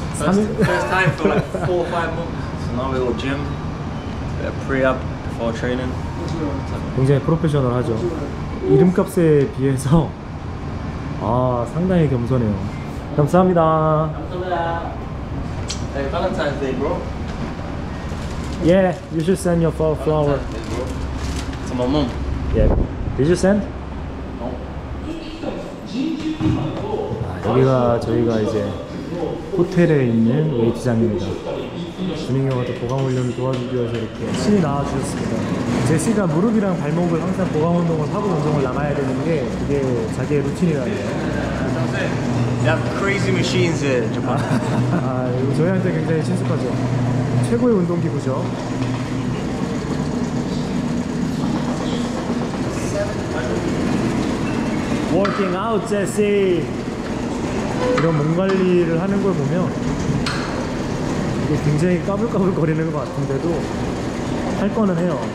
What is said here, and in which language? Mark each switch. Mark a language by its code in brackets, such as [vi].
[en] First time for like 4 or 5 months. So now we're all gym. Pre-up before training. [ko] 굉장히 프로페셔널하죠. 이름값에 비해서 아 상당히 겸손해요. 감사합니다. 감사합니다. [en] Hey, Valentine's Day, bro. Yeah, you should send your fall flower. Valentine's Day, bro. To my mom. Yeah. Did you send? No. [ko] 아, 여기가 저희가 이제 호텔에 있는 웨이트장입니다. 주민경한테 보강훈련을 도와주기 위해서 이렇게 신이 나와주셨습니다. 제시가 무릎이랑 발목을 항상 보강운동을 하고 운동을 남아야 되는 게 그게 자기의 루틴이라네요. [en] They have crazy machines in Japan. [ko] 아, 저희한테 굉장히 친숙하죠. 최고의 운동기구죠. 워킹 아웃 제시! 이런 몸관리를 하는 걸 보면 이게 굉장히 까불까불 거리는 것 같은데도 할 거는 해요.